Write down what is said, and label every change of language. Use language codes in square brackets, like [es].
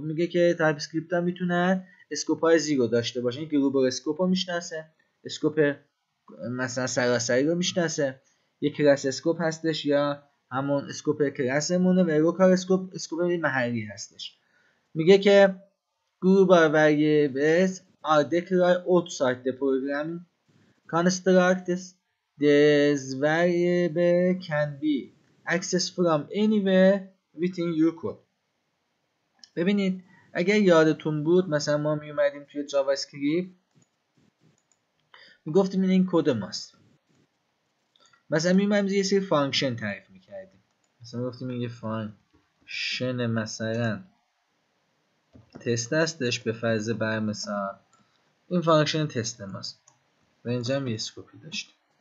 [fa] میگه که تایپ اسکریپت هم میتونن اسکوپ های زیرو داشته باشن، یک گلوبال اسکوپ رو میشناسه، اسکوپ مثلا سراسری رو میشناسه، یک کلاس اسکوپ هستش یا همون اسکوپ کلاسمونه و لوکال اسکوپ اسکوپ محلی هستش. میگه که [en] Global variables are declared outside the programming constructs. This variable can be accessed from anywhere within your code. [fa] ببینید اگر یادتون بود مثلا ما میومدیم توی جاوا اسکریپت میگفتیم این کد ماست، مثلا میومدیم یه سری فانکشن تعریف میکردیم، مثلا میگفتیم این یه فانکشن مثلا تست هستش به فرض بر مثلا این فانکشن تست ماست و اینجا هم یه اسکوپی داشتیم.